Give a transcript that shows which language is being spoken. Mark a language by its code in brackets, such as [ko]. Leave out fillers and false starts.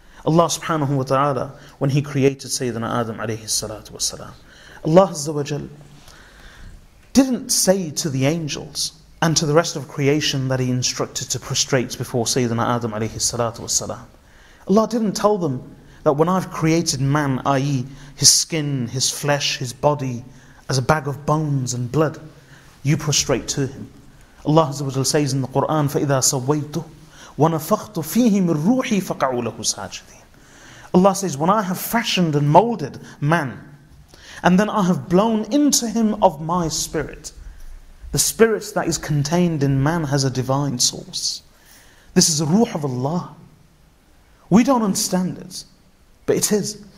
[en] Allah subhanahu wa ta'ala, when he created Sayyidina Adam alayhi salatu wasalam, Allah azza wa jal didn't say to the angels and to the rest of creation that he instructed to prostrate before Sayyidina Adam alayhi salatu wasalam. Allah didn't tell them that when I've created man, i.e. his skin, his flesh, his body, as a bag of bones and blood, you prostrate to him. Allah azza wa jal says in the Qur'an, [ar] فَإِذَا سَوَّيْتُ وَنَفَخْتُ فِيهِ مِنْ رُوحِي فَقَعُوا لَهُ سَاجِدِينَ. [en] Allah says, when I have fashioned and molded man, and then I have blown into him of my spirit, the spirit that is contained in man has a divine source. This is a ruh of Allah. We don't understand it, but it is.